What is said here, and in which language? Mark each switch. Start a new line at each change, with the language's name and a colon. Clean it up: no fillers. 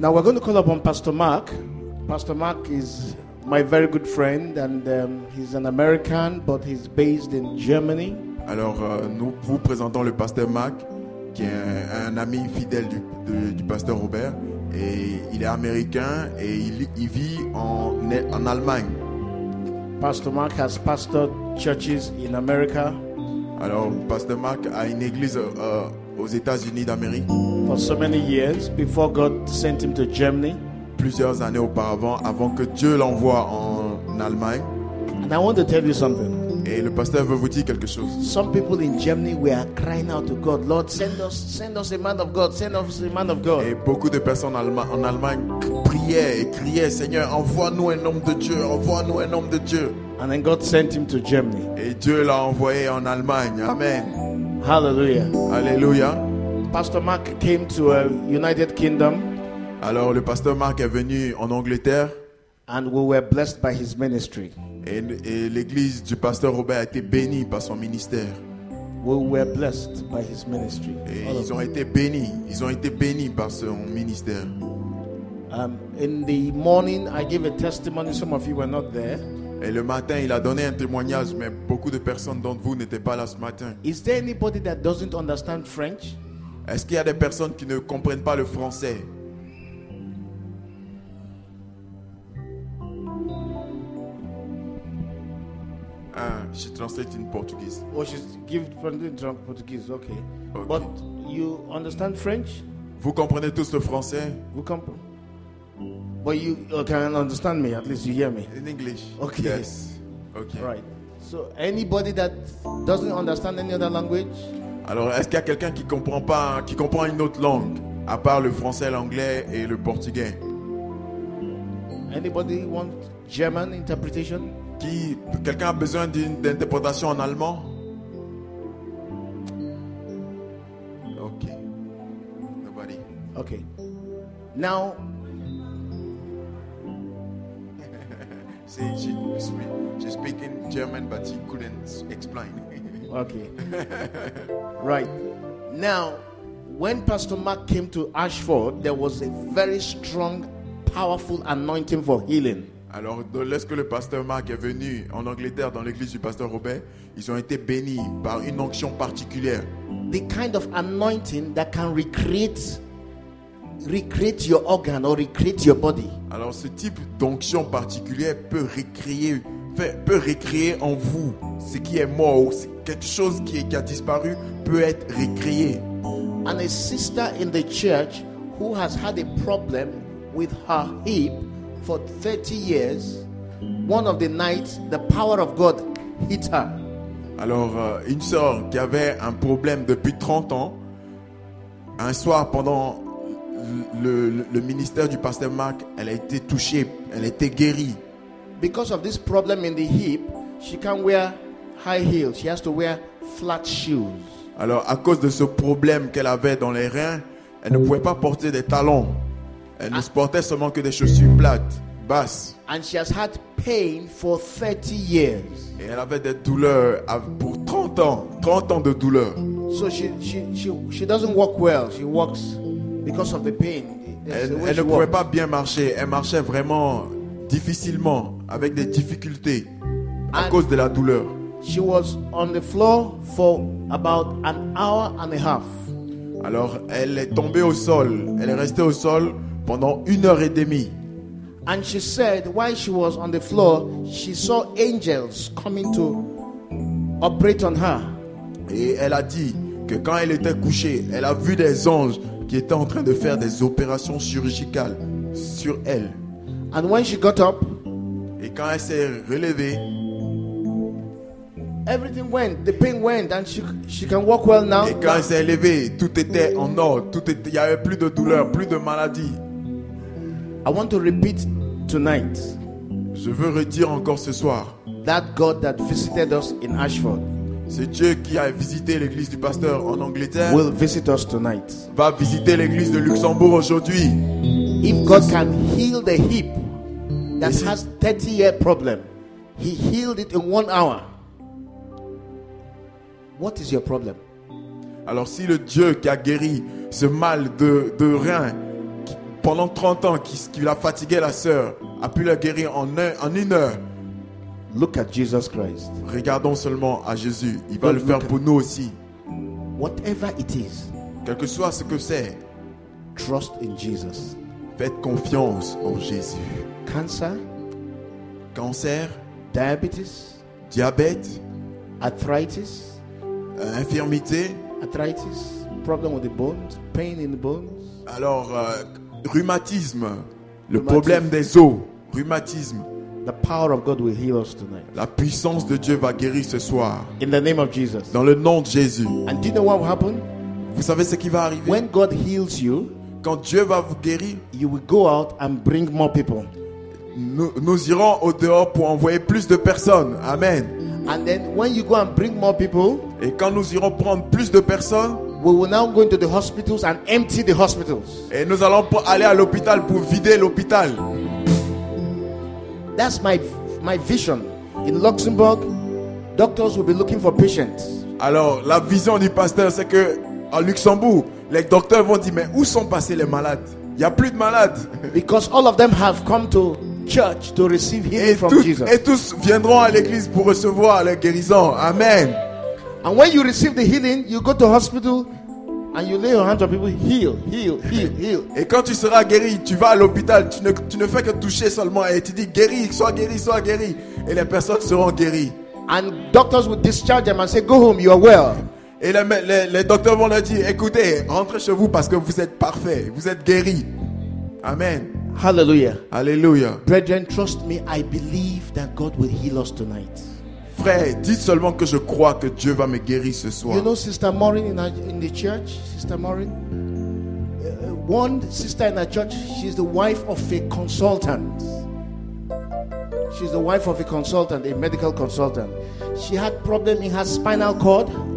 English: Now we're going to call upon Pastor Mark. Pastor Mark is my very good friend, and he's an American, but he's based in Germany.
French: Alors, nous vous présentons le pasteur Mark, qui est un ami fidèle du pasteur Robert, et il est américain et il vit en Allemagne.
English: Pastor Mark has pastored churches in America.
French: Alors, pasteur Mark a une église aux États-Unis d'Amérique.
English: For so many years before God sent him to Germany.
French: Plusieurs années auparavant, avant que Dieu l'envoie en Allemagne.
English: And I want to tell you something.
French: Et le pasteur veut vous dire quelque chose.
English: Some people in Germany, we are crying out to God, Lord, send us a man of God, send us a man of God.
French: Et beaucoup de personnes en Allemagne priaient et criaient, Seigneur, envoie-nous un homme de Dieu, envoie-nous un homme de Dieu.
English: And then God sent him to Germany.
French: Et Dieu l'a envoyé en Allemagne.
English: Amen. Hallelujah. Hallelujah. Pastor Mark came to a United Kingdom.
French: Alors le pasteur Mark est venu en Angleterre.
English: And we were blessed by his ministry.
French: Et l'église du pasteur Robert a été bénie par son ministère.
English: We were blessed by his ministry.
French: Et ils ont été bénis. Ils ont été bénis par son ministère.
English: In the morning, I gave a testimony. Some of you were not there.
French: Et le matin, il a donné un témoignage, mais beaucoup de personnes d'entre vous n'étaient pas là ce matin.
English: Is there anybody that doesn't understand French?
French: Est-ce qu'il y a des personnes qui ne comprennent pas le français?
English: Ah, she translates in Portuguese. Oh, she gives translation in Portuguese. Okay. Okay. But you understand French?
French: Vous comprenez tous le français? Vous comprenez.
English: But you can understand me. At least you hear me. In English. Okay. Yes. Okay. Right. So anybody that doesn't understand any other language?
French: Alors, est-ce qu'il y a quelqu'un qui comprend pas, qui comprend une autre langue à part le français, l'anglais et le portugais?
English: Anybody want German interpretation?
French: Quelqu'un a besoin d'une interprétation en allemand?
English: Okay. Nobody. Okay. Now. See, she speak in German, but she couldn't explain. Okay. Right. Now, when Pastor Mark came to Ashford, there was a very strong, powerful anointing for healing.
French: Alors, lorsque le pasteur Mark est venu en Angleterre dans l'église du pasteur Robert, ils ont été bénis par une onction particulière.
English: The kind of anointing that can recreate your organ or recreate your body.
French: Alors, ce type d'onction particulière peut recréer en vous ce qui est mort ou quelque chose qui a disparu peut être recréé.
English: And a sister in the church who has had a problem with her hip for 30 years, one of the nights, the power of God hit her.
French: Alors, une sœur qui avait un problème depuis 30 ans, un soir pendant le ministère du pasteur Mark, elle a été touchée, elle a été guérie.
English: Because of this problem in the hip, she can't wear high heels. She has to wear flat shoes.
French: Alors, à cause de ce problème qu'elle avait dans les reins, elle ne pouvait pas porter des talons. Elle ne portait seulement que des chaussures plates, basses.
English: And she has had pain for 30 years.
French: Et elle avait des douleurs pour 30 ans. 30 ans de douleurs.
English: So she doesn't walk well. She walks because of the pain.
French: Elle ne pouvait pas bien marcher. Elle marchait vraiment difficilement, avec des difficultés à cause de la douleur.
English: She was on the floor for about an hour and a half.
French: Alors elle est tombée au sol. Elle est restée au sol pendant une heure et demie.
English: And she said while she was on the floor, she saw angels coming to operate on her.
French: Et elle a dit que quand elle était couchée, elle a vu des anges qui étaient en train de faire des opérations chirurgicales sur elle.
English: And when she got up,
French: et quand elle s'est relevée,
English: everything went, the pain went, and she can walk well now.
French: Et quand elle s'est levée, tout était en ordre, il y avait plus de douleur, plus de maladie.
English: I want to repeat tonight.
French: Je veux redire encore ce soir.
English: That God that visited us in Ashford.
French: C'est Dieu qui a visité l'église du pasteur en Angleterre.
English: Will visit us tonight.
French: Va visiter l'église de Luxembourg aujourd'hui.
English: If God can heal the hip that has 30 year problem, he healed it in 1 hour. What is your problem?
French: Alors si le Dieu qui a guéri ce mal de rein qui, pendant 30 ans qui l'a fatigué la sœur, a pu la guérir en une heure.
English: Look at Jesus Christ.
French: Regardons seulement à Jésus. Il va le faire pour nous aussi.
English: Whatever it is.
French: Quel que soit ce que c'est.
English: Trust in Jesus.
French: Faites confiance en Jésus.
English: Cancer.
French: Cancer.
English: Diabetes.
French: Diabète.
English: Arthritis.
French: Infirmité.
English: Arthritis. Problem with the bones. Pain in the bones.
French: Alors, rhumatisme. Le problème des os. Rhumatisme.
English: The power of God will heal us tonight.
French: La puissance de Dieu va guérir ce soir.
English: In the name of Jesus.
French: Dans le nom de Jésus.
English: And do you know what will happen?
French: Vous savez ce qui va arriver?
English: When God heals you,
French: quand Dieu va vous guérir,
English: you will go out and bring more people.
French: Nous irons au dehors pour envoyer plus de personnes.
English: Amen. And then when you go and bring more people,
French: et quand nous irons prendre plus de personnes,
English: we will now go into the hospitals and empty the hospitals.
French: Et nous allons aller à l'hôpital pour vider l'hôpital.
English: That's my vision. In Luxembourg, doctors will be looking for patients.
French: Alors, la vision du pasteur, c'est que en Luxembourg, les docteurs vont dire, mais où sont passés les malades? Il n'y a plus de malades.
English: Because all of them have come to church to receive healing from Jesus.
French: Et tous viendront à l'église pour recevoir la guérison.
English: Amen. And when you receive the healing, you go to hospital and you lay your hands on people, heal, heal, heal, heal.
French: Et quand tu seras guéri, tu vas à l'hôpital, tu ne fais que toucher seulement et tu dis guéri, sois guéri, sois guéri. Et les personnes seront guéries.
English: And doctors will discharge them and say, go home, you are well.
French: Et les docteurs vont leur dire, écoutez, rentrez chez vous parce que vous êtes parfait, vous êtes guéri.
English: Amen. Hallelujah. Hallelujah. Brethren, trust me, I believe that God will heal us tonight.
French: Frère, dites seulement que je crois que Dieu va me guérir ce soir.
English: You know Sister Maureen in the church, Sister Maureen? One sister in the church, she's the wife of a consultant. She's the wife of a consultant, a medical consultant. She had problem in her spinal cord.